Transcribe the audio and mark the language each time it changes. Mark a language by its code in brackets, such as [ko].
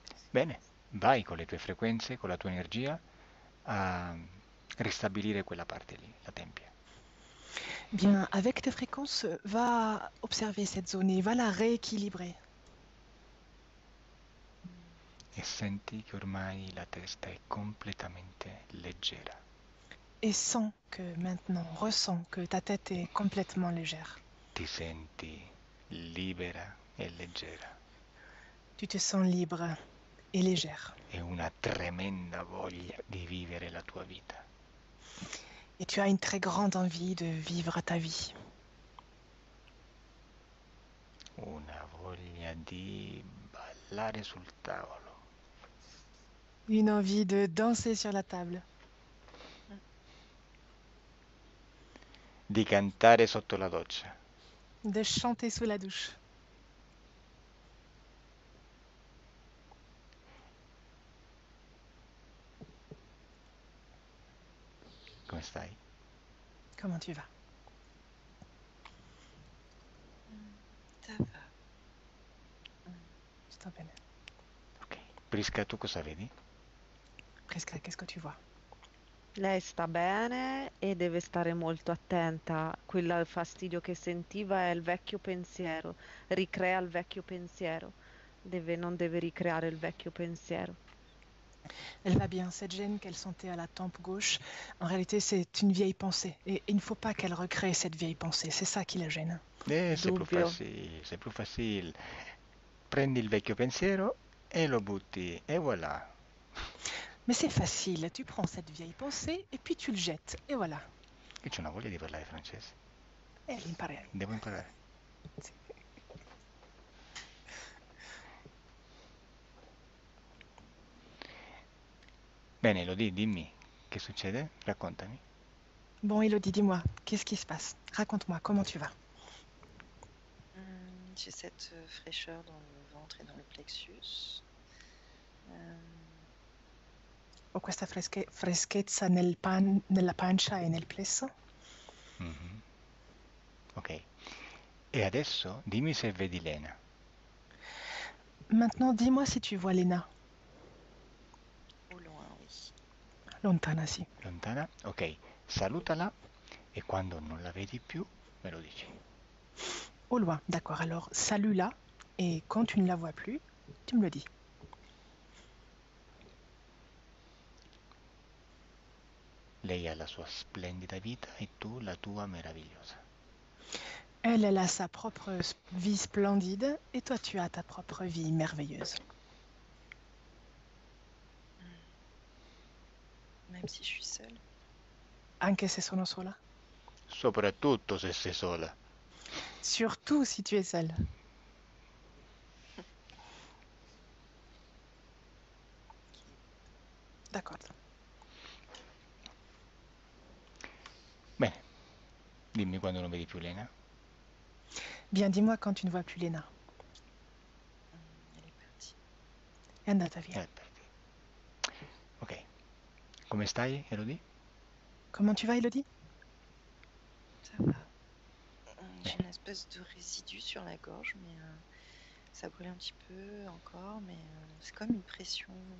[it] Bene, vai con le tue frequenze, con la tua energia a ristabilire quella parte lì, la tempia. [fr] Bien, avec tes fréquences, va observer cette zone et va la rééquilibrer. [it] Senti che ormai la testa è completamente leggera. [fr] Et sens que maintenant, ressens que ta tête est complètement légère. [it] Ti senti libera e leggera. [fr] Tu te sens libre et légère. [it] È una tremenda voglia di vivere la tua vita. [fr] Et tu as une très grande envie de vivre ta vie. [it] Una voglia di ballare sul tavolo. [fr] Une envie de danser sur la table. [it] Di cantare sotto la doccia. Di [fr] De chanter sous la douche. [it] Come stai? [fr] Comment tu vas? Ça va. [it] Sto bene. Ok. Prisca, tu cosa vedi? [fr] Prisca, qu'est-ce que tu vois? [it] Lei sta bene e deve stare molto attenta. Quel fastidio che sentiva è il vecchio pensiero. Ricrea il vecchio pensiero. Non deve ricreare il vecchio pensiero. [fr] Elle va bien, cette gêne qu'elle sentait à la tempe gauche, en réalité c'est une vieille pensée. Et il ne faut pas qu'elle recrée cette vieille pensée, c'est ça qui la gêne. [it] Dubbio. [fr] C'est plus facile. [it] Prendi il vecchio pensiero e lo butti, e voilà. [fr] Mais c'est facile, tu prends cette vieille pensée et puis tu le jettes, et voilà. [it] Che c'è una voglia di parlare francese. Elle l'imparerà. Devo imparare. Bene, Elodie, dimmi, che succede? Raccontami. [fr] Bon, Elodie, dis-moi, qu'est-ce qui se passe? Raconte-moi, comment tu vas? J'ai cette fraîcheur dans le ventre et dans le plexus. [it] Ho questa freschezza nel pan nella pancia e nel plesso. E adesso dimmi se vedi Lena. [fr] Maintenant, dis-moi si tu vois Lena. Au loin, oui. [it] Lontana, sì. Lontana? Ok, salutala e quando non la vedi più me lo dici. [fr] Au loin, d'accord. Alors, salue-la et quand tu ne la vois plus, tu me le dis. [it] Lei ha la sua splendida vita e tu la tua meravigliosa. [fr] Elle, elle a sa propre vie splendide et toi, tu as ta propre vie merveilleuse. Même si je suis seule. [it] Anche se sono sola. Soprattutto se sei sola. [fr] Surtout si tu es seule. [it] Dimmi quando non vedi più Lena. [fr] Bien, dis-moi quand tu ne vois plus Léna. [it] È andata via. Ok. Come stai, Elodie? [fr] Comment tu vas, Elodie? Ça va. J'ai une espèce de résidu sur la gorge, mais ça brûle un petit peu encore, mais c'est comme une pression.